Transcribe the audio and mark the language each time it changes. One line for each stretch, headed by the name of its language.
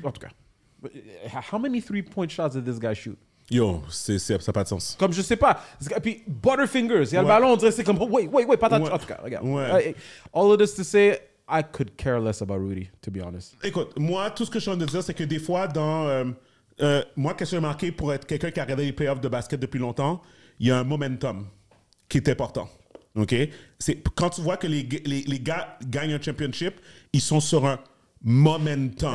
French: En tout cas,
English: how many 3-point shots did this guy shoot?
French: Yo, c'est, ça n'a pas de sens. Comme je sais pas. Puis Butterfingers, il y a le ballon, on dirait c'est comme. Wait, patate. Ouais. En tout cas, regarde. Ouais.
English: All of this to say, I could care less about Rudy, to be honest.
French: Écoute, moi, tout ce que je suis en train de dire, c'est que des fois, dans. Moi, qu'est-ce que j'ai remarqué pour être quelqu'un qui a regardé les playoffs de basket depuis longtemps, il y a un momentum qui est important. OK? C'est quand tu vois que les gars gagnent un championship, ils sont sur un momentum.